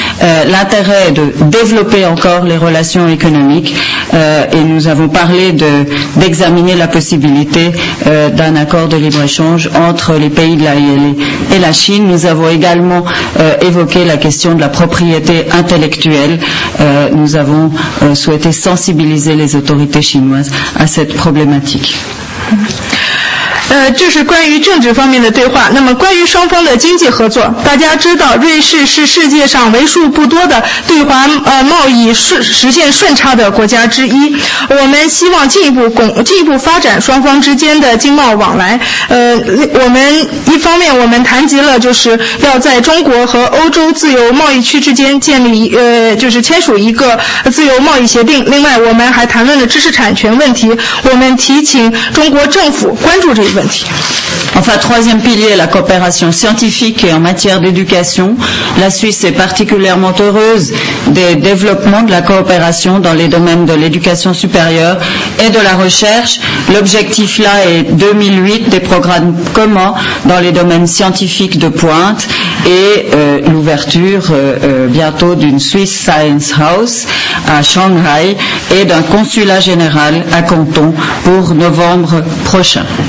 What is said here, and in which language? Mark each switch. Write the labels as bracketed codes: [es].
[fr] L'intérêt est de développer encore les relations économiques et nous avons parlé d'examiner la possibilité d'un accord de libre-échange entre les pays de la ILA et la Chine. Nous avons également évoqué la question de la propriété intellectuelle. Nous avons souhaité sensibiliser les autorités chinoises à cette problématique. [zh] 这是关于政治方面的对话。那么关于双方的经济合作，大家知道瑞士是世界上为数不多的对华贸易实现顺差的国家之一。我们希望进一步发展双方之间的经贸往来。我们谈及了就是要在中国和欧洲自由贸易区之间建立就是签署一个自由贸易协定。另外我们还谈论了知识产权问题。我们提请中国政府关注这个问题。问题。 [fr] Enfin, troisième pilier, la coopération scientifique et en matière d'éducation. La Suisse est particulièrement heureuse des développements de la coopération dans les domaines de l'éducation supérieure et de la recherche. L'objectif là est 2008, des programmes communs dans les domaines scientifiques de pointe et l'ouverture bientôt d'une Swiss Science House à Shanghai et d'un consulat général à Canton pour novembre prochain.